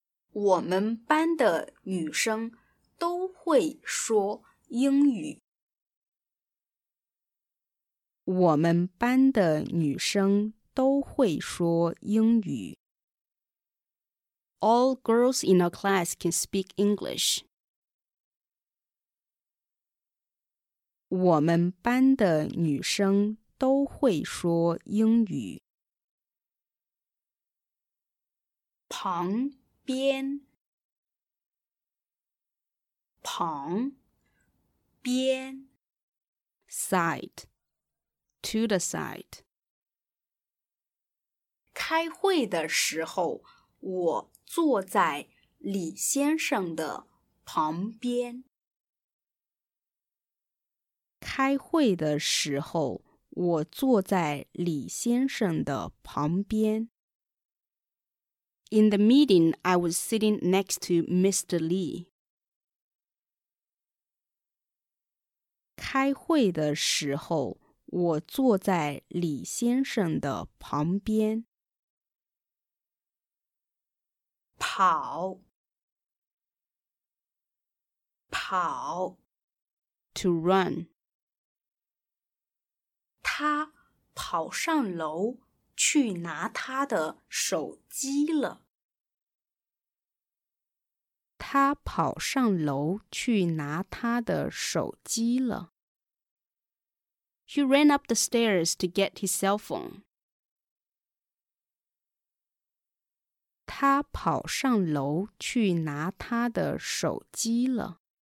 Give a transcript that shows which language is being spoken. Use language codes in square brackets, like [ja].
[zh] 我们班的女生都会说英语。我们班的女生都会说英语。 [en] All girls in our class can speak English. [zh] 我们班的女生都会说英语。旁边，旁边 [en] ，side, to the side。 [zh] 开会的时候，我坐在李先生的旁边。开会的时候，我坐在李先生的旁边。 [en] In the meeting, I was sitting next to Mr. Lee. [zh] 开会的时候，我坐在李先生的旁边。跑，跑 [en] ，to run. [zh] 他跑上楼去拿他的手机了。他跑上楼去拿他的手机了。 [en] He ran up the stairs to get his cell phone. [zh] 他跑上楼去拿他的手机了。